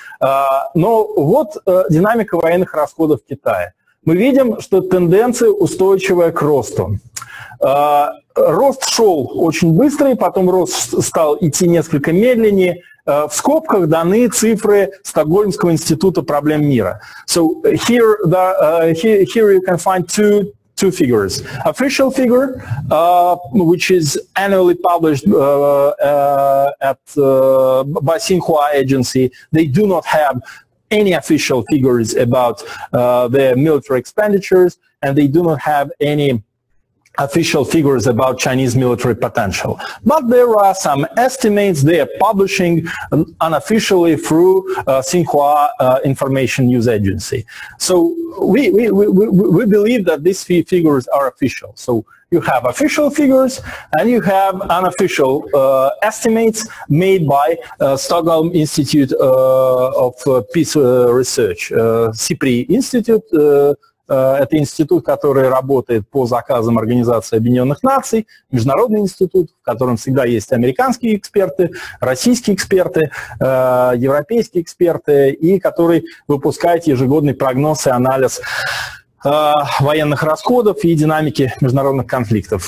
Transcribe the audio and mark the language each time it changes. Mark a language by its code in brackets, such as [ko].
[ru] Но вот динамика военных расходов Китая. Мы видим, что тенденция устойчивая к росту. Рост шел очень быстрый, потом рост стал идти несколько медленнее. В скобках даны цифры Стокгольмского института проблем мира. [en] So here the here you can find two figures. Official figure, which is annually published at by Xinhua agency. They do not have any official figures about their military expenditures, and they do not have any official figures about Chinese military potential. But there are some estimates they are publishing unofficially through Xinhua Information News Agency. So we believe that these few figures are official. So you have official figures and you have unofficial estimates made by Stockholm Institute of Peace Research, CPRI Institute. [ru] Это институт, который работает по заказам Организации Объединенных Наций, международный институт, в котором всегда есть американские эксперты, российские эксперты, европейские эксперты, и который выпускает ежегодный прогноз и анализ военных расходов и динамики международных конфликтов.